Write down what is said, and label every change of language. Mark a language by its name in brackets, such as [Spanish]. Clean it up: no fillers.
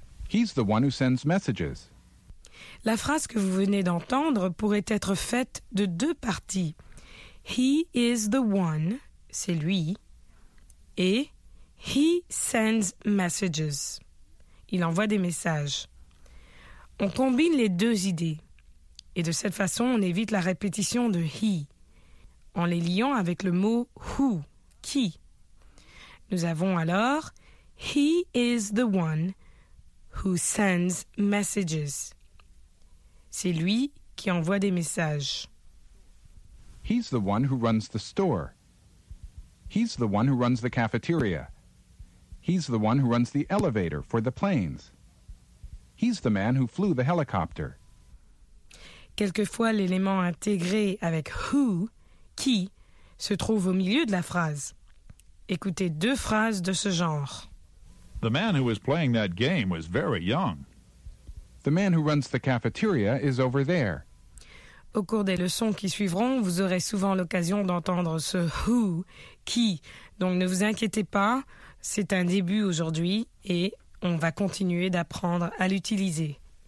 [English] He's the one who sends messages. [French] La phrase que vous venez d'entendre pourrait être faite de deux parties. [English] He is the one, [French] c'est lui, et [English] he sends messages. [French] Il envoie des messages. On combine les deux idées. Et de cette façon, on évite la répétition de he en les liant avec le mot who, qui. Nous avons alors « [English] He is the one who sends messages. [French] » C'est lui qui envoie des messages. [English] « He's the one who runs the store. » « He's the one who runs the cafeteria. » « He's the one who runs the elevator for the planes. » « He's the man who flew the helicopter. » [French] Quelquefois, l'élément intégré avec « who »,« qui » se trouve au milieu de la phrase. Écoutez deux phrases de ce genre. [English] The man who was playing that game was very young. The man who runs the cafeteria is over there. [French] Au cours des leçons qui suivront, vous aurez souvent l'occasion d'entendre ce who, qui. Donc ne vous inquiétez pas, c'est un début aujourd'hui et on va continuer d'apprendre à l'utiliser.